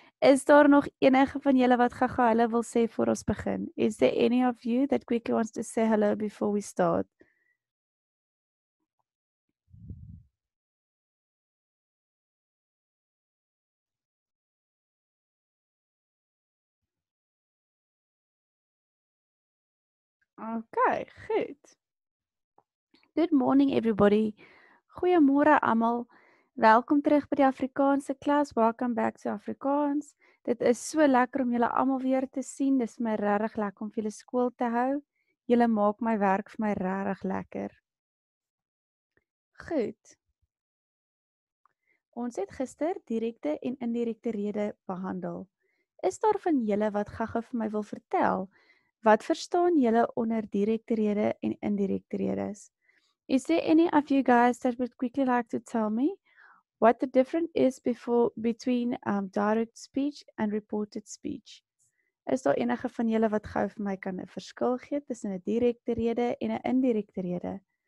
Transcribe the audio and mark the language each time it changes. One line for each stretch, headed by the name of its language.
Afrikaans: Is daar nog enige van julle wat gaga hulle wil sê voor ons begin?
English: Is there any of you that quickly wants to say hello before we start? Okay, goed. Good morning, everybody.
Afrikaans: Goeiemôre allemaal. Welkom terug by die Afrikaanse klas.
English: Welcome back to Afrikaans.
Afrikaans: Dit is so lekker om julle allemaal weer te sien. Dit is my rarig lekker om vir julle skool te hou. Julle maak my werk vir my rarig lekker. Goed. Ons het gister direkte en indirekte rede behandel. Is daar van julle wat gaga vir my wil vertel? Wat verstaan julle onder direkte rede en indirekte redes?
English: Is there any of you guys that would quickly like to tell me what the difference is between direct speech and reported speech?
Afrikaans: Is daar enige van julle wat gou vir my kan 'n verskil gee tussen 'n direkte rede en 'n indirekte rede?